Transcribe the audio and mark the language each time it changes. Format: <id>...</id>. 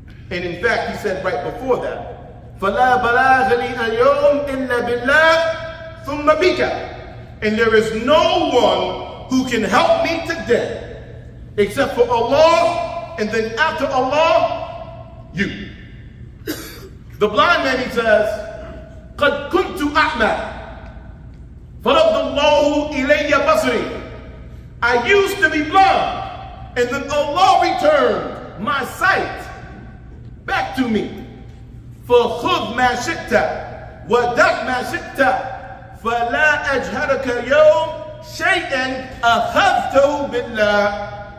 <en>And in fact, he said right before that,</en> <ar>فَلَا بَلَاغَ لِي أَيُّهُمْ إِلَّا بِاللَّهِ ثُمَّ بِكَ.</ar> <en>And there is no one who can help me today except for Allah, and then after Allah, you. The blind man, he says,</en> <ar>قَدْ كُنْتُ أَعْمَى فَرَدَّ اللَّهُ إِلَيَّ بَصْرِي.</ar> <en>I used to be blind, and then Allah returned my sight back to me.</en> <ar>فَخُذْ مَا شِئْتَ وَدَعْ مَا شِئْتَ فَلَا أَجْهَرَكَ يَوْمْ شَيْئًا أَخَذْتَهُ بِاللَّهِ.</ar>